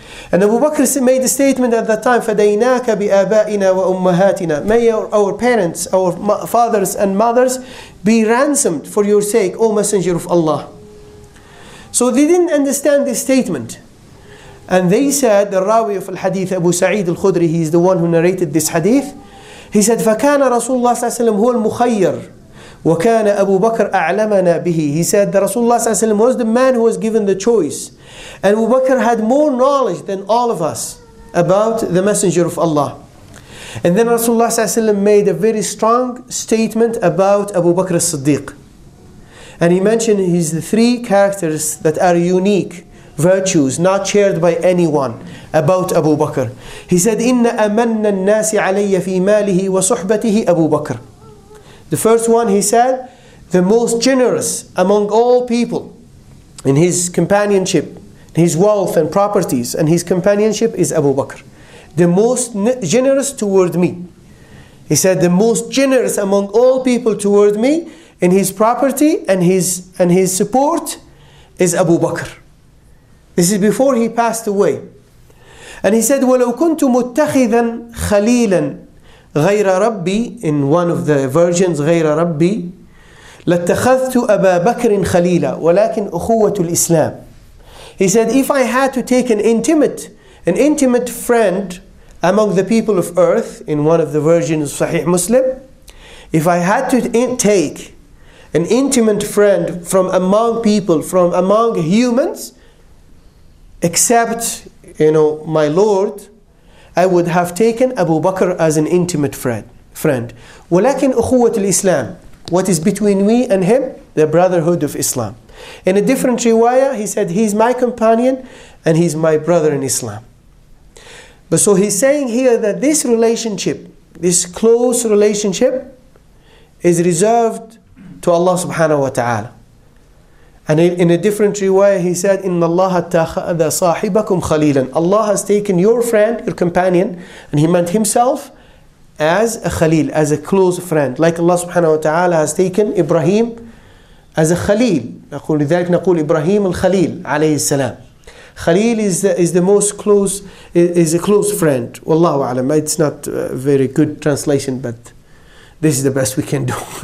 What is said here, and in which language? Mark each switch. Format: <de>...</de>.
<en>And Abu Bakr made a statement at that time,</en> <ar>فَدَيْنَاكَ بِآبَائِنَا وَأُمَّهَاتِنَا.</ar> <en>May our parents, our fathers and mothers be ransomed for your sake, O Messenger of Allah. So they didn't understand this statement. And they said, the Rawi of al-Hadith, Abu Sa'id al-Khudri, he is the one who narrated this hadith. He said,</en> <ar>فَكَانَ رَسُولُ اللَّهِ صَلَّى اللَّهُ عَلَيْهِ وَسَلَّمُ هُوَ الْمُخَيِّرُ وكان أبو بكر أعلمنا به.</ar> <en>He said that Rasulullah</en> <ar>صلى الله عليه وسلم</ar> <en>was the man who was given the choice, and Abu Bakr had more knowledge than all of us about the Messenger of Allah. And then Rasulullah</en> <ar>صلى الله عليه وسلم</ar> <en>made a very strong statement about Abu Bakr as-Siddiq, and he mentioned his three characters that are unique virtues not shared by anyone about Abu Bakr. He said,</en> <ar>إن أمن الناس علي في ماله وصحبته أبو بكر.</ar> <en>The first one, he said, the most generous among all people in his companionship, his wealth and properties, and his companionship is Abu Bakr. The most generous toward me. He said, the most generous among all people toward me in his property and his support is Abu Bakr. This is before he passed away. And he said,</en> <ar>وَلَوْ كُنْتُ مُتَّخِذًا خَلِيلًا غَيْرَ رَبِّي,</ar> <en>in one of the versions,</en> <ar>غَيْرَ رَبِّي, لَاتَّخَذْتُ أَبَا بَكْرٍ خَلِيلًا وَلَكِنْ أُخُوَّةُ الْإِسْلَامِ.</ar> <en>He said, if I had to take an intimate friend among the people of earth, in one of the versions of Sahih Muslim, if I had to take an intimate friend from among people, from among humans, except, you know, my Lord, I would have taken Abu Bakr as an intimate friend.</en> <ar>وَلَكِنْ أُخُوَّةُ الْإِسْلَامِ.</ar> <en>What is between me and him? The brotherhood of Islam. In a different riwayah, he said, he's my companion and he's my brother in Islam. But so he's saying here that this relationship, this close relationship, is reserved to Allah subhanahu wa ta'ala. And in a different riwayah, he said,</en> <ar>إِنَّ اللَّهَ اتَّخَذَ صَاحِبَكُمْ خَلِيلًا.</ar> <en>Allah has taken your friend, your companion, and he meant himself, as a khalil, as a close friend. Like Allah subhanahu wa ta'ala has taken Ibrahim as a khalil.</en> <ar>لذلك نقول إبراهيم الخليل عليه السلام.</ar> <en>Khalil is a close friend.</en> <ar>والله أعلم.</ar> <en>It's not a very good translation, but this is the best we can do.</en>